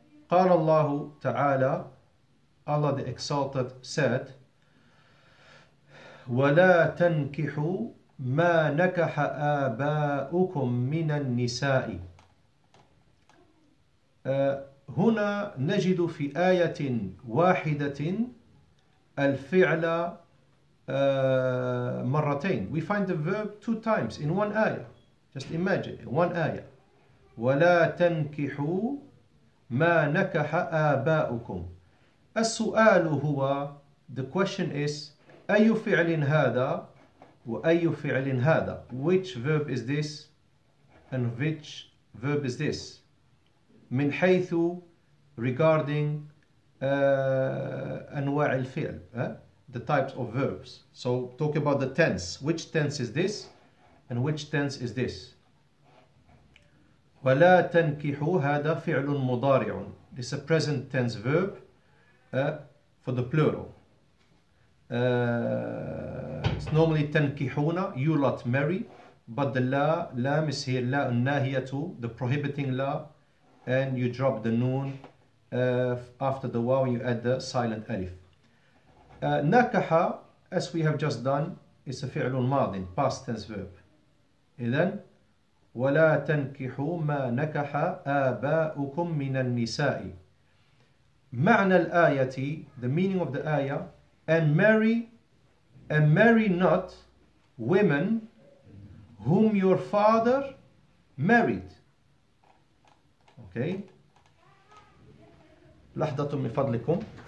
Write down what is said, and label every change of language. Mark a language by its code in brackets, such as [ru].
[ar] قال الله تعالى, [en] Allah the Exalted said, [ar] ولا تنكحوا ما نكح آباؤكم من النساء. هنا نجد في آية واحدة الفعل مرتين. [en] We find the verb two times in one ayah. Just imagine, one ayah. [ar] وَلَا تَنْكِحُوا مَا نَكَحَ آبَاؤُكُمْ. السؤال هو, [en] the question is, [ar] أي فعل هذا وأي فعل هذا؟ [en] Which verb is this and which verb is this? [ar] من حيث [en] regarding [ar] أنواع الفعل, [en] the types of verbs. So talk about the tense. Which tense is this and which tense is this? [ar] ولا تنكحوا هذا فعل مضارع. [en] It's a present tense verb for the plural. It's normally تنكحونا, you lot marry, but the لام is here, لا الناهية, the prohibiting law. And you drop the noon after the waw, you add the silent alif. نكح, as we have just done, is a فعل ماض, past tense verb. [ar] إذن, ولا تنكحوا ما نكح آباؤكم من النساء. معنى الآية, [en] the meaning of the ayah, and marry not women whom your father married. [ar] اوكي لحظة من فضلكم.